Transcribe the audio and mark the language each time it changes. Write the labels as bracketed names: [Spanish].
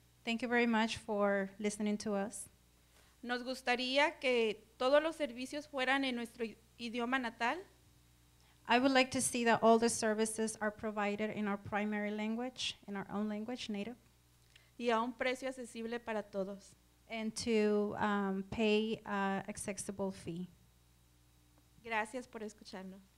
[English] Thank you very much for listening to us. [Spanish] Nos gustaría que todos los servicios fueran en nuestro idioma natal. [English] I would like to see that all the services are provided in our primary language, in our own language, native. [Spanish] Y a un precio accesible para todos. [English] And to pay an accessible fee. [Spanish] Gracias por escucharnos.